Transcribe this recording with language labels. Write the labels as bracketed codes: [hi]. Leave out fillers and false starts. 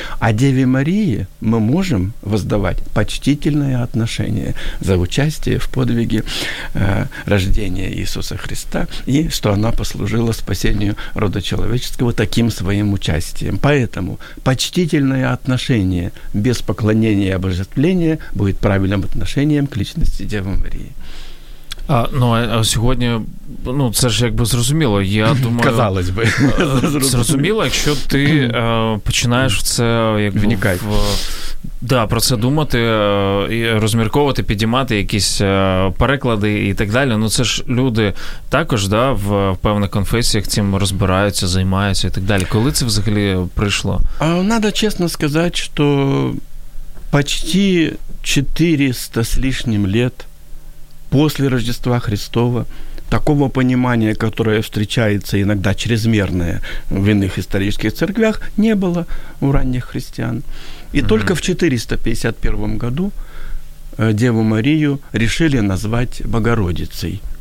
[ru] А Деве Марии мы можем воздавать почтительное отношение за участие в подвиге рождения Иисуса Христа и что она послужила спасению рода человеческого таким своим участием. Поэтому почтительное отношение без поклонения и обожествления будет правильным отношением к личности Девы Марии. [uk] А сьогодні, ну, це ж якби зрозуміло. Я думаю, [ru] казалось би, [uk] зрозуміло, якщо ти починаєш в це якби вникати. Да, про це думати, розмірковувати, підіймати якісь переклади і так далі. Ну, це ж люди також, да, в певних конфесіях цим розбираються, займаються і так далі. Коли це взагалі прийшло? А надо чесно сказати, що почти 400 з лишнім років [ru] после Рождества Христова, такого понимания, которое встречается иногда чрезмерное в иных исторических церквях, не было у ранних христиан. И только в 451 году Деву Марию решили назвать Богородицей.